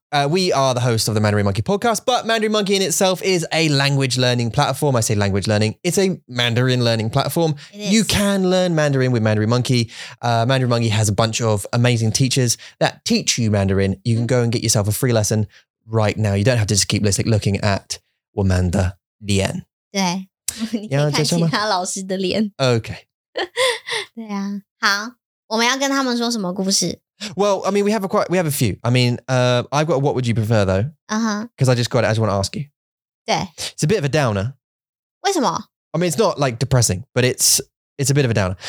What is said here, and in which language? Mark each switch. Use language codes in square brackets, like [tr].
[en] We are the host of the Mandarin Monkey podcast, but Mandarin Monkey in itself is a language learning platform. I say language learning. It's a Mandarin learning platform. You can learn Mandarin with Mandarin Monkey. Mandarin Monkey has a bunch of amazing teachers that teach you Mandarin. You can go and get yourself a free lesson right now. You don't have to just keep looking at [zh] 我们的脸。对，你可以看其他老师的脸。 Okay. 对啊，好，我们要跟他们说什么故事？ [en] Well, I mean, we have a few. I mean, I've got a what would you prefer though? Uh-huh. Because I just got it. I just want to ask you. [zh] 对. [en] It's a bit of a downer. [zh] 为什么? [en] I mean, it's not like depressing, but it's a bit of a downer.